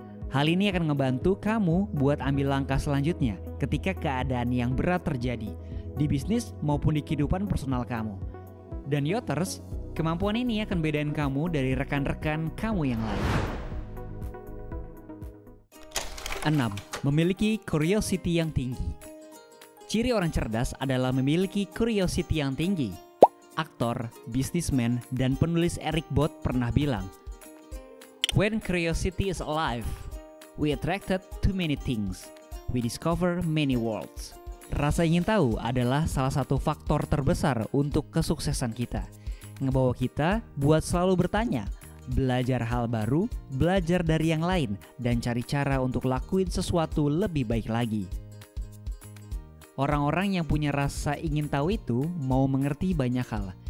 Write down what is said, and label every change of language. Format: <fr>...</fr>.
<id>Hal ini akan membantu kamu buat ambil langkah selanjutnya ketika keadaan yang berat terjadi, di bisnis maupun di kehidupan personal kamu. Dan Yoters, kemampuan ini akan bedain kamu dari rekan-rekan kamu yang lain. 6. Memiliki curiosity yang tinggi. Ciri orang cerdas adalah memiliki curiosity yang tinggi. Aktor, businessman, dan penulis Eric Bot pernah bilang,</id> <en>"When curiosity is alive, we attracted to many things. We discover many worlds."</en> <id>Rasa ingin tahu adalah salah satu faktor terbesar untuk kesuksesan kita. Ngebawa kita buat selalu bertanya, belajar hal baru, belajar dari yang lain, dan cari cara untuk lakuin sesuatu lebih baik lagi. Orang-orang yang punya rasa ingin tahu itu mau mengerti banyak hal.</id>